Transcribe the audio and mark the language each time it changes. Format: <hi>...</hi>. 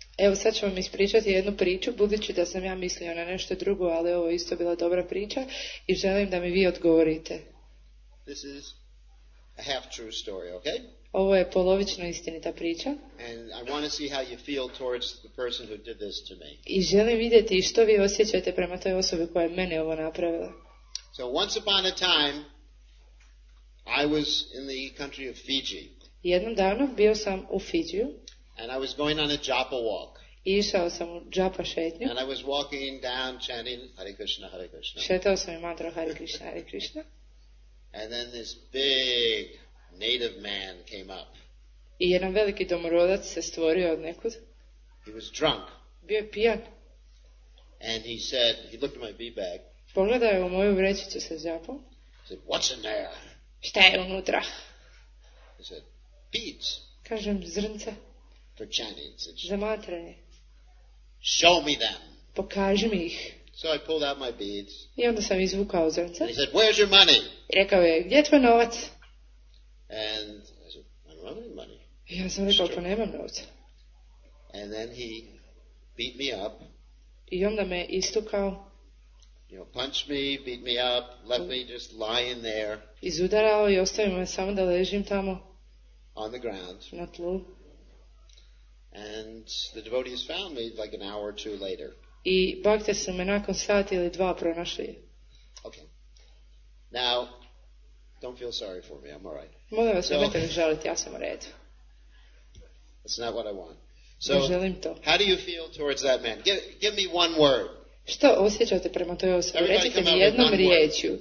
<hr>Evo, sad ću vam ispričati jednu priču, budući da sam ja mislio na nešto drugo, ali ovo isto bila dobra priča, i želim da mi vi odgovorite.</hr> <en>This is a half-true story, okay?</en> <hr>Ovo je polovično istinita priča.</hr> <en>And I want to see how you feel towards the person who did this to me.</en> <hr>I želim vidjeti što vi osjećate prema toj osobi koja je meni ovo napravila.</hr> <en>So once upon a time, I was in the country of Fiji.</en> <hr>Jednom davno bio sam u Fidžiju.</hr> <en>And I was going on a japa walk.</en> <hr>Išao sam u japa šetnju.</hr> <en>And I was walking down chanting Hare Krishna, Hare Krishna.</en> <hr>Šetao sam i mantra Hare Krishna, Hare Krishna.</hr> <en>And then this big native man came up.</en> <hr>I jedan veliki domorodac se stvorio od nekud.</hr> <en>He was drunk.</en> <hr>Bio je pijan.</hr> <en>And he said, he looked at my bee bag.</en> <hr>Pogledao je u moju vrećicu sa japom.</hr> <en>He said, what's in there?</en> <hr>Šta je unutra?</hr> <en>I said, beads.</en> <hr>Kažem, zrnca.</hr> <en>For chanting.</en> <hr>Za mantranje.</hr> <en>Show me them.</en> <hr>Pokaži mi ih.</hr> <en>So I pulled out my beads.</en> <hr>I onda sam izvukao zrnca.</hr> <en>And he said, where's your money?</en> <hr>I rekao je, gdje je tvoj novac?</hr> <en>And I said, I don't have any money.</en> <hr>Ja sam rekao, pa nemam novca.</hr> <en>And then he beat me up.</en> <hr>I onda me istukao.</hr> <en>You know, punched me, beat me up, left me just lying there.</en> <hr>Izudarao i ostavio me samo da ležim tamo.</hr> <en>On the ground.</en> <hr>Na tlu.</hr> <en>And the devotees found me like an hour or two later.</en> <hr>I bhakte su me nakon sat ili dva pronašli.</hr> <en>Okay. Now, don't feel sorry for me. I'm all right.</en> <hr>Molim vas, nemojte mi žaliti, ja sam u redu.</hr> <en>That's not what I want.</en> <hr>So, želim to.</hr> <en>How do you feel towards that man? Give me one word.</en> <hr>Što osjećate prema toj osobi? Recite mi jednom riječju.</hr>